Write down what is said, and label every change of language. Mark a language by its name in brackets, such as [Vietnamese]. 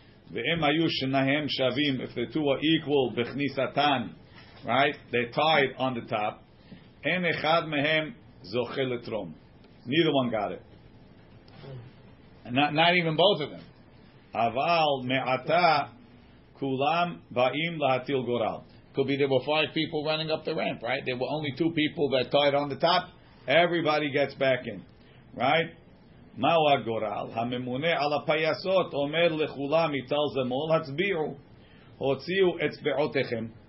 [Hebrew] ואם היו שניהם שווים, [English] if the two were equal, [Hebrew] בכניסתן, [English] right, they tied on the top, [Hebrew] אין אחד מהם זוכה לתרום. [English] Neither one got it. Not even both of them. [Hebrew] אבל מעתה, כולם באים להטיל גורל. [English] Could be there were 5 people running up the ramp, right? There were only 2 people that tied on the top. Everybody gets back in, right? [Hebrew] מהו הגורל? הממונה על הפייסות אומר לכולם, [English] he tells them all, [Hebrew] הצביעו, הוציאו אצבעותיכם,